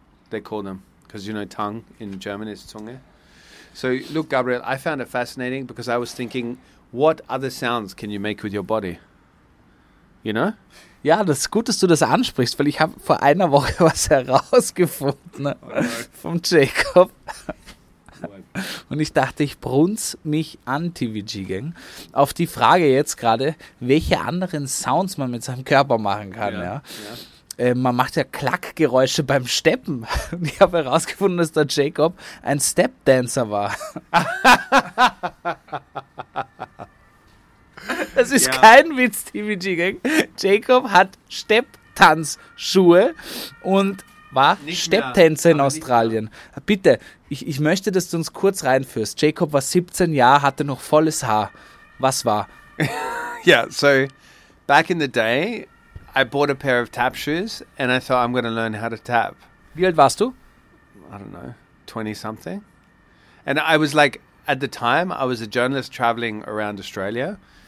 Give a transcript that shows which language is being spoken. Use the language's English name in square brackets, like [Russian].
[English] They call them, because you know tongue in German is Zunge. So look, Gabriel, I found it fascinating because I was thinking, what other sounds can you make with your body? You know? [German] Ja, das ist gut, dass du das ansprichst, weil ich habe vor einer Woche was herausgefunden, ne? [English] Oh, no. [German] Vom Jacob. [English] What? [German] Und ich dachte, ich brunz mich an, TVG Gang. Auf die Frage jetzt gerade, welche anderen Sounds man mit seinem Körper machen kann. Ja. Man macht ja Klackgeräusche beim Steppen. Und ich habe herausgefunden, dass der Jacob ein Stepdancer war. Das ist kein Witz, TVG Gang. Jacob hat Stepptanzschuhe und war Stepptänzer in Australien. Bitte, ich möchte, dass du uns kurz reinführst. Jacob war 17 Jahre, hatte noch volles Haar. Was war? [English] Yeah, so back in the day, I bought a pair of tap shoes and I thought I'm going to learn how to tap. [German] Wie alt warst du? [English] I don't know, 20-something. And I was like, at the time, I was a journalist traveling around Australia.